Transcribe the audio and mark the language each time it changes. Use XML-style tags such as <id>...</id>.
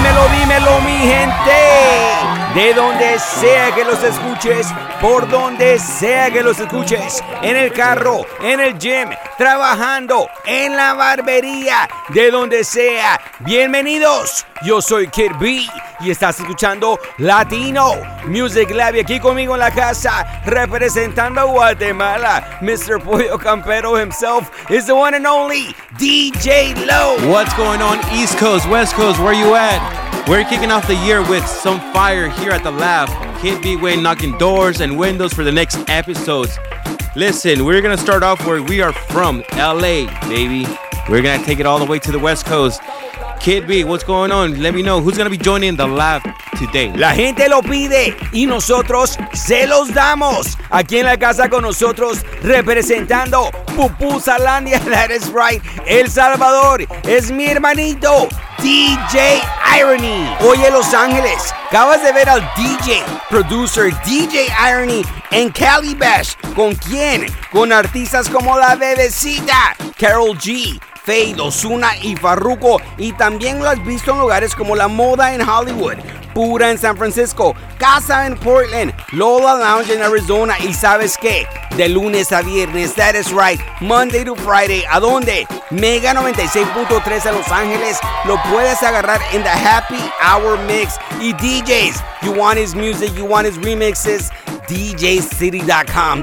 <es>Dímelo, mi gente, de donde sea que los escuches, por donde sea que los escuches, en el carro, en el gym, trabajando, en la barbería, de donde sea, bienvenidos. Yo soy Kid B y estás escuchando Latino Music Lab, y aquí conmigo en la casa, representando a Guatemala, Mr.</es> <en>Pollo Campero himself is the one and only DJ Low. What's going on, East Coast, West Coast, where you at? We're kicking off the year with some fire here at the lab. Kid B Wayne knocking doors and windows for the next episodes. Listen, we're going to start off where we are from, LA, baby. We're going to take it all the way to the West Coast. Kid B, what's going on? Let me know who's going to be joining the lab today.</en> <es>La gente lo pide y nosotros se los damos. Aquí en la casa con nosotros, representando Pupusalandia. That is right. El Salvador es mi hermanito. DJ Irony. Oye, Los Ángeles, acabas de ver al DJ, producer DJ Irony en Cali Bash. ¿Con quién? Con artistas como La Bebecita, Karol G, Feid, Ozuna y Farruko. Y también lo has visto en lugares como La Moda en Hollywood, Pura en San Francisco, Casa en Portland, Lola Lounge en Arizona. ¿Y sabes qué? De lunes a viernes, that is right, Monday to Friday. ¿A dónde? Mega 96.3 en Los Ángeles. Lo puedes agarrar en The Happy Hour Mix. Y DJs, you want his music, you want his remixes, DJCity.com.</es>